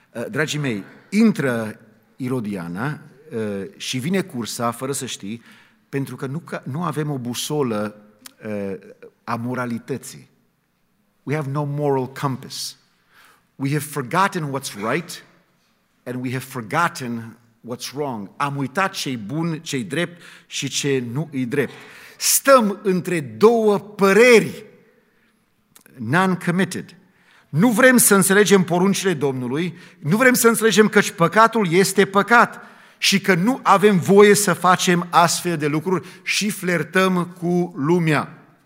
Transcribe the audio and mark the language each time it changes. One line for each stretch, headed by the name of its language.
Romanian: Dragii mei, intră Irodiana și vine cursa, fără să știi, pentru că nu avem o busolă a moralității.
English: We have no moral compass. We have forgotten what's right and we have forgotten what's wrong.
Romanian: Am uitat ce-i bun, ce-i drept și ce nu-i drept. Stăm între două păreri.
English: Non-committed.
Romanian: Nu vrem să înțelegem poruncile Domnului, nu vrem să înțelegem că păcatul este păcat și că nu avem voie să facem astfel de lucruri și flertăm cu lumea.